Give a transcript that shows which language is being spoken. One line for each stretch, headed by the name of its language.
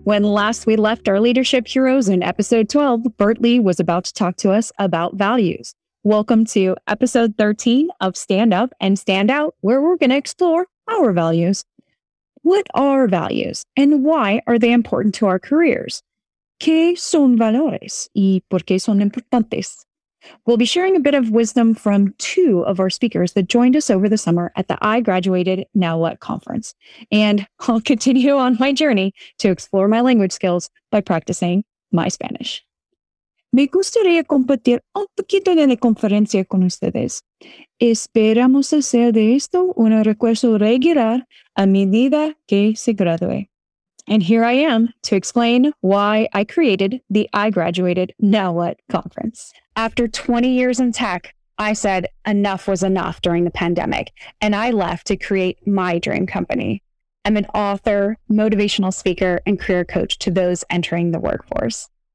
English: When last we left our leadership heroes in episode 12, Bert Lee was about to talk to us about values. Welcome to episode 13 of Stand Up and Stand Out, where we're going to explore our values. What are values and why are they important to our careers?
Spanish: ¿Qué son valores y por qué son importantes?
English: We'll be sharing a bit of wisdom from two of our speakers that joined us over the summer at the I Graduated Now What conference. And I'll continue on my journey to explore my language skills by practicing my Spanish.
Spanish: Me gustaría compartir un poquito de la conferencia con ustedes. Esperamos hacer de esto un recurso regular a medida que se gradúe.
English: And here I am to explain why I created the I Graduated Now What conference. After 20 years in tech, I said enough was enough during the pandemic, and I left to create my dream company. I'm an author, motivational speaker, and career coach to those entering the workforce.